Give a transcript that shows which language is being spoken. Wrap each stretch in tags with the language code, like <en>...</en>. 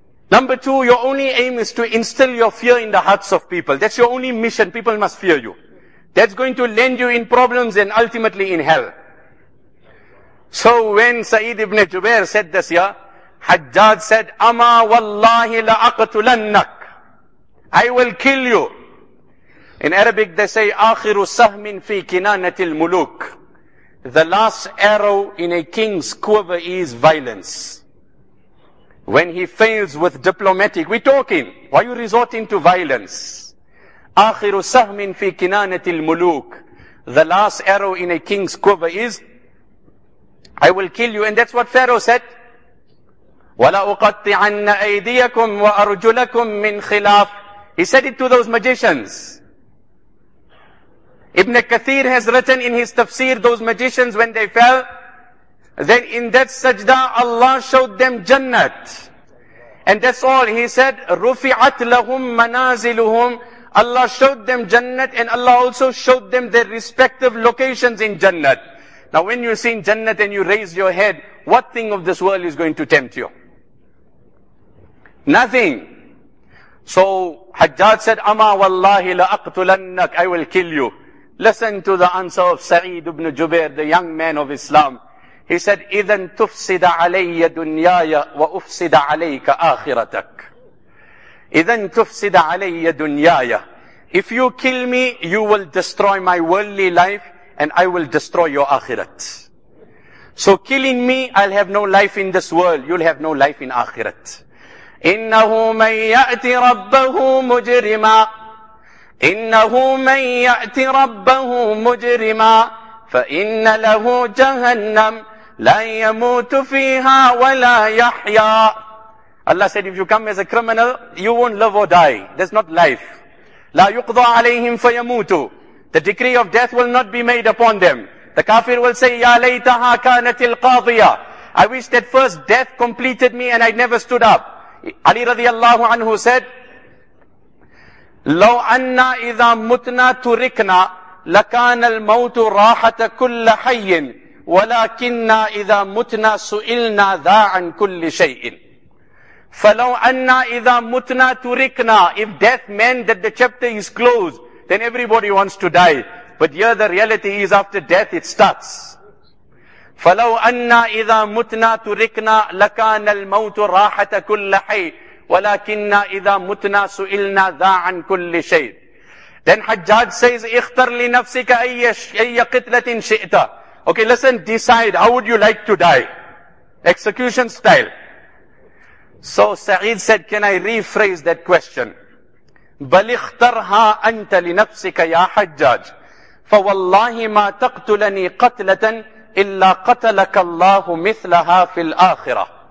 <en>Number two, your only aim is to instill your fear in the hearts of people. That's your only mission. People must fear you. That's going to land you in problems and ultimately in hell. So when Sa'id ibn Jubair said this, Hajjaj said,</en> <ar>أَمَا وَاللَّهِ لَأَقْتُلَنَّكَ.</ar> <en>I will kill you. In Arabic they say,</en> <ar>آخِرُ سَهْمٍ فِي كِنَانَةِ الْمُلُوكِ.</ar> <en>The last arrow in a king's quiver is violence. When he fails with diplomatic, we're talking, why are you resorting to violence?</en> <ar>آخِرُ سَهْمٍ فِي كِنَانَةِ الْمُلُوكِ.</ar> <en>The last arrow in a king's quiver is, I will kill you. And that's what Pharaoh said.</en> <ar>وَلَأُقَطِّعَنَّ أَيْدِيَكُمْ وَأَرْجُلَكُمْ مِنْ خِلَافٍ.</ar> <en>He said it to those magicians. Ibn Kathir has written in his tafsir, those magicians when they fell, then in that sajda, Allah showed them jannat. And that's all. He said,</en> <ar>رُفِعَتْ لَهُمْ مَنَازِلُهُمْ.</ar> <en>Allah showed them jannat and Allah also showed them their respective locations in jannat. Now when you see in jannat and you raise your head, what thing of this world is going to tempt you? Nothing. So Hajjaj said,</en> <ar>أَمَا وَاللَّهِ لَأَقْتُلَنَّكَ.</ar> <en>I will kill you. Listen to the answer of Sa'id ibn Jubair, the young man of Islam. He said,</en> <ar>إِذَن تُفْسِدَ عَلَيَّ دُنْيَايَ وَأُفْسِدَ عَلَيْكَ آخِرَتَكَ. إِذَن تُفْسِدَ عَلَيَّ دُنْيَايَ.</ar> <en>If you kill me, you will destroy my worldly life and I will destroy your akhirat. So killing me, I'll have no life in this world. You'll have no life in akhirat.</en> <ar>إِنَّهُ مَنْ يَأْتِ رَبَّهُ مُجْرِمًا إِنَّهُ مَنْ يَأْتِ رَبَّهُ مُجْرِمًا فَإِنَّ لَهُ جَهَنَّمْ لَا يَمُوتُ فِيهَا وَلَا يَحْيَى.</ar> <en>Allah said, if you come as a criminal, you won't live or die. There's not life.</en> <ar>لَا يُقْضَى عَلَيْهِمْ فَيَمُوتُ.</ar> <en>The decree of death will not be made upon them. The kafir will say,</en> <ar>يَا لَيْتَهَا كَانَتِ الْقَاضِيَةِ.</ar> <en>I wish that first death completed me and I never stood up. Ali radiallahu anhu said,</en> <ar>لَوْ أَنَّا إِذَا مُتْنَا تُرِكْنَا لَكَانَ الْمَوْتُ رَاحَةَ كُلَّ حَيٍّ وَلَكِنَّا إِذَا مُتْنَا سُئِلْنَا ذَا عَنْ كُلِّ شَيْءٍ. فَلَوْ أَنَّا إِذَا مُتْنَا تُرِكْنَا.</ar> <en>If death meant that the chapter is closed, then everybody wants to die. But here the reality is after death it starts.</en> <ar>فَلَوْ أَنَّا إِذَا مُتْنَا تُرِكْنَا لَكَانَ الْمَوْتُ رَاحَةَ كُلَّ حَيٍّ وَلَكِنَّا إِذَا مُتْنَا سُئِلْنَا ذَا عَنْ كُلِّ شَيْءٍ.</ar> <en>Then Hajjaj says,</en> <ar>اِخْتَرْ لِنَفْسِكَ أَيَّ قِتْلَةٍ شِئْتَ.</ar> <en>Okay, listen, decide, how would you like to die? Execution style. So Sa'id said, can I rephrase that question?</en> <ar>بَلِخْتَرْهَا أَنْتَ لِنَفْسِكَ يَا حَجَّاج فَوَاللَّهِ مَا تَقْتُلَنِي قَتْلَةً إِلَّا قَتَلَكَ اللَّهُ مِثْلَهَا فِي الْآخِرَةِ.</ar>